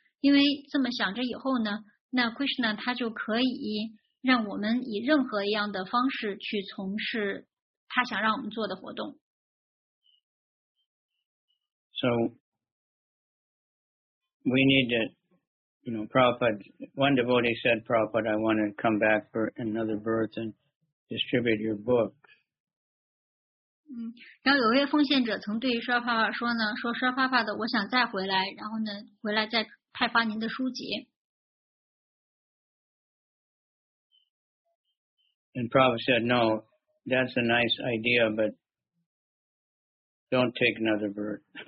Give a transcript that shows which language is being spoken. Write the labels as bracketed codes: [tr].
[zh] 因为这么想着以后呢，那Krishna他就可以让我们以任何一样的方式去从事他想让我们做的活动。So [en] we need to, you know, Prabhupada, one devotee said, Prabhupada, I want to come back for another birth and distribute your book. [zh] 然后有一位奉献者曾对于沙发爸爸说呢，说沙发爸爸的，我想再回来，然后呢，回来再。 [en] And Prabhupada said, no, that's a nice idea, but don't take another birth.